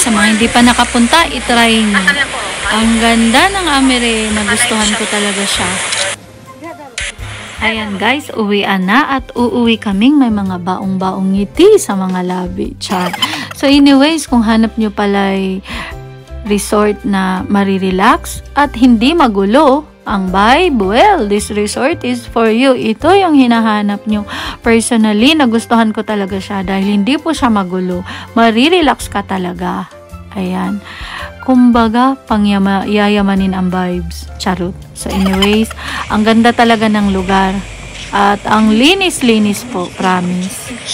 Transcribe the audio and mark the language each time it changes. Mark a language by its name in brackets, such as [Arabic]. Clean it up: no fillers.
[Filipino] Sa mga hindi pa nakapunta, itry nyo. Ang ganda ng Amiri. Nagustuhan ko talaga siya. Ayan guys, uwian na at uuwi kaming may mga baong-baong ngiti sa mga labi. Char. So anyways, kung hanap nyo pala'y resort na marirelax at hindi magulo ang vibe, [English] well, this resort is for you. [Filipino] Ito yung hinahanap nyo. Personally, nagustuhan ko talaga siya dahil hindi po siya magulo. Marirelax ka talaga. Ayan. Kumbaga, pangyayamanin ang vibes. Charot. So anyways, ang ganda talaga ng lugar. At ang linis-linis po, promise.